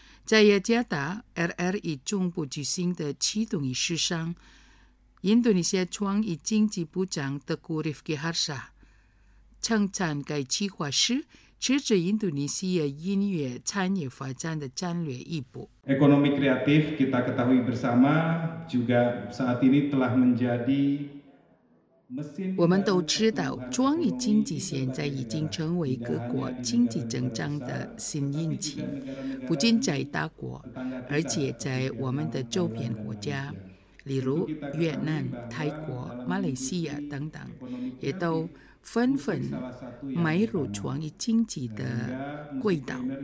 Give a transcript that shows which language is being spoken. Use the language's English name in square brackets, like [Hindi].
[Chinese] 在雅加达 RRI 中部举行的启动仪式上，印度尼西亚创意经济部长德古里夫吉哈沙称赞该计划是支持印度尼西亚音乐产业发展的战略一步。 [Indonesian] Ekonomi kreatif kita ketahui bersama juga saat ini telah menjadi mesin. [Chinese] 我们都知道，创意经济现在已经成为各国经济增长的新引擎，不仅在大国，而且在我们的周边国家，例如越南、泰国、马来西亚等等，也都纷纷迈入创意经济的轨道。